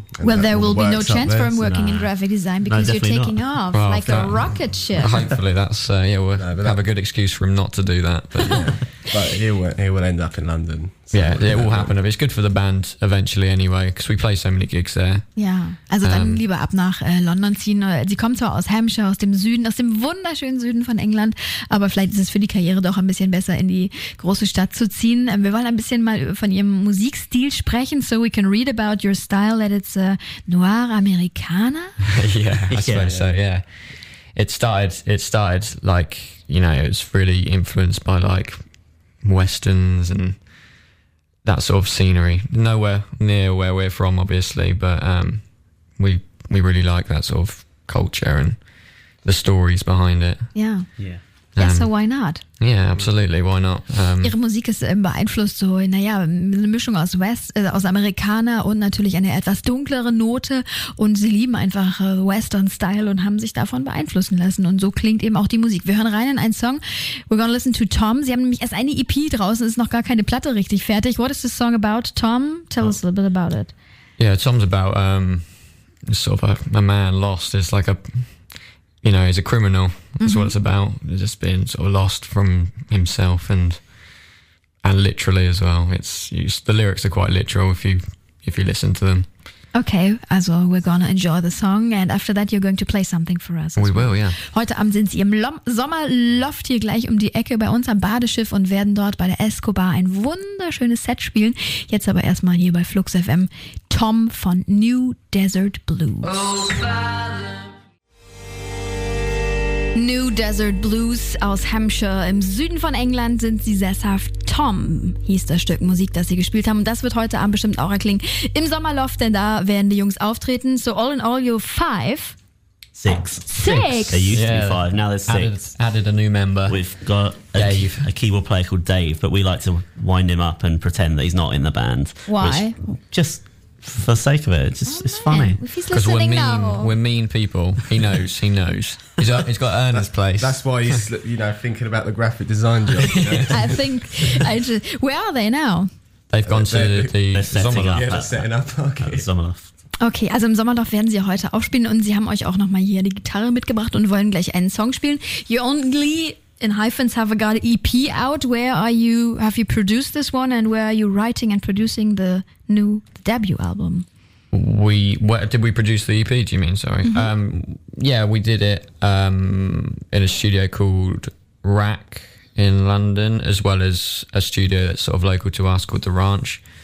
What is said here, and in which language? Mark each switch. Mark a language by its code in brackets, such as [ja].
[en] well, there will be no chance for him working in graphic design because you're taking off like a rocket ship. Hopefully, that's have a good excuse for him not to do that. But he will end up in London. Yeah, it will happen. It's good for the band eventually anyway, because we play so many gigs there. [de] Ja, also dann lieber ab nach London ziehen. Sie kommt zwar aus Hampshire, aus dem Süden, aus dem wunderschönen Süden von England, aber vielleicht ist es für die Karriere doch ein bisschen besser, in die große Stadt zu ziehen. Wir wollen ein bisschen mal von ihrem Musikstil sprechen, [en] so we can read about your style, that it's a noir Americana. I suppose so. It started like, it was really influenced by like westerns and that sort of scenery. Nowhere near where we're from, obviously, but we really like that sort of culture and the stories behind it. So why not? Yeah, absolutely, why not? [de] Ihre Musik ist beeinflusst so, eine Mischung aus aus Amerikaner und natürlich eine etwas dunklere Note, und sie lieben einfach Western Style und haben sich davon beeinflussen lassen, und so klingt eben auch die Musik. Wir hören rein in einen Song, [en] we're gonna listen to Tom. [de] Sie haben nämlich erst eine EP draußen, ist noch gar keine Platte richtig fertig. [en] What is this song about, Tom? Tell us a little bit about it. Yeah, Tom's about sort of a man lost. It's like a... he's a criminal. That's what it's about. He's just being sort of lost from himself and literally as well. The lyrics are quite literal if you listen to them. Okay, also we're gonna enjoy the song, and after that you're going to play something for us. [de] Heute Abend sind sie im Sommerloft hier gleich um die Ecke bei uns am Badeschiff und werden dort bei der Escobar ein wunderschönes Set spielen. Jetzt aber erstmal hier bei Flux FM Tom von New Desert Blues. New Desert Blues aus Hampshire. Im Süden von England sind sie sesshaft. Tom hieß das Stück Musik, das sie gespielt haben. Und das wird heute Abend bestimmt auch erklingen. Im Sommerloft, denn da werden die Jungs auftreten. [en] So all in all, you're five. Six. There used to be five. Now there's six. Added a new member. We've got Dave, a keyboard player called Dave, but we like to wind him up and pretend that he's not in the band. Why? For the sake of it, it's funny. Because we're mean people. He knows. He's got to earn his place. That's why he's thinking about the graphic design job. Where are they now? They've gone to the Sommerloft. They're setting up. The Sommerloft. [de] Okay, also im Sommerloch werden Sie heute aufspielen und Sie haben euch auch nochmal hier die Gitarre mitgebracht und wollen gleich einen Song spielen. [en] You only in hyphens have got an EP out. Where are you, have you produced this one and where are you writing and producing the new debut album? Did we produce the EP, do you mean? Sorry. Mm-hmm. Yeah, we did it in a studio called Rack in London, as well as a studio that's sort of local to us called The Ranch.